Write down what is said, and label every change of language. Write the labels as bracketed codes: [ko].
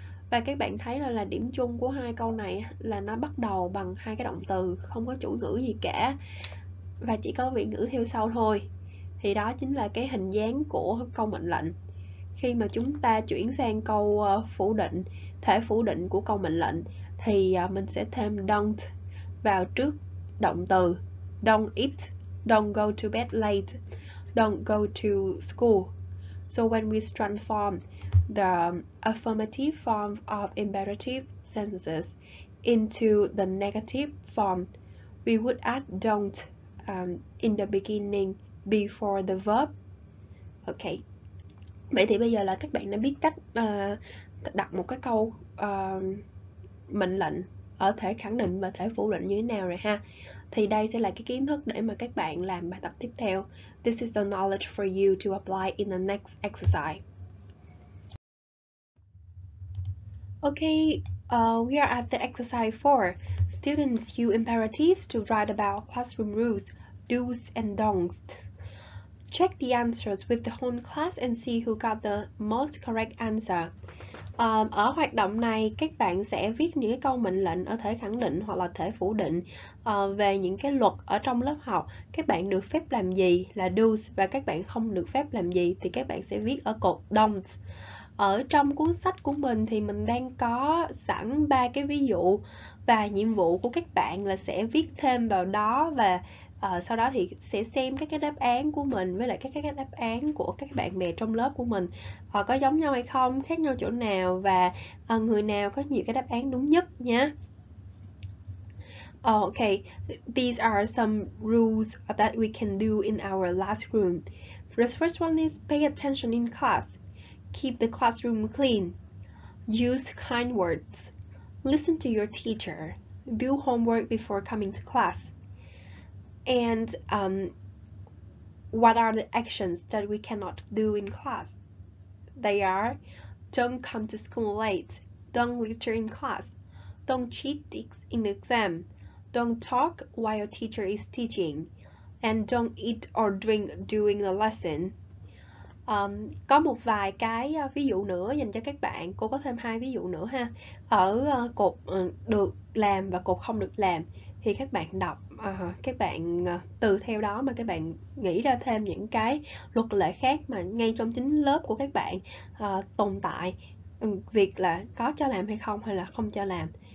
[vi] Và các bạn thấy là điểm chung của hai câu này là nó bắt đầu bằng hai cái động từ, không có chủ ngữ gì cả, và chỉ có vị ngữ theo sau thôi. Thì đó chính là cái hình dáng của câu mệnh lệnh. Khi mà chúng ta chuyển sang câu phủ định, thể phủ định của câu mệnh lệnh, thì mình sẽ thêm don't vào trước động từ. [en] Don't eat, don't go to bed late, don't go to school. So when we transform the affirmative form of imperative sentences into the negative form, we would add don't in the beginning before the verb. Okay. [vi] Vậy thì bây giờ là các bạn đã biết cách đặt một cái câu mệnh lệnh ở thể khẳng định và thể phủ định như thế nào rồi ha. Thì đây sẽ là cái kiến thức để mà các bạn làm bài tập tiếp theo. [en] This is the knowledge for you to apply in the next exercise. Okay, We are at the exercise 4. Students use imperatives to write about classroom rules, do's and don'ts. Check the answers with the whole class and see who got the most correct answer. [vi] Ở hoạt động này, các bạn sẽ viết những cái câu mệnh lệnh ở thể khẳng định hoặc là thể phủ định về những cái luật ở trong lớp học. Các bạn được phép làm gì là do's và các bạn không được phép làm gì thì các bạn sẽ viết ở cột don'ts. Ở trong cuốn sách của mình thì mình đang có sẵn ba cái ví dụ và nhiệm vụ của các bạn là sẽ viết thêm vào đó và sau đó thì sẽ xem các cái đáp án của mình với lại các cái đáp án của các bạn bè trong lớp của mình có giống nhau hay không, khác nhau chỗ nào và người nào có nhiều cái đáp án đúng nhất nhé. [en] Okay, these are some rules that we can do in our last room. The first one is pay attention in class. Keep the classroom clean. Use kind words. Listen to your teacher. Do homework before coming to class. And what are the actions that we cannot do in class? They are: don't come to school late. Don't litter in class. Don't cheat in the exam. Don't talk while teacher is teaching. And don't eat or drink during the lesson. [vi] Có một vài cái ví dụ nữa dành cho các bạn. Cô có thêm hai ví dụ nữa ha. Ở cột được làm và cột không được làm thì các bạn đọc, các bạn từ theo đó mà các bạn nghĩ ra thêm những cái luật lệ khác mà ngay trong chính lớp của các bạn tồn tại, việc là có cho làm hay không hay là không cho làm.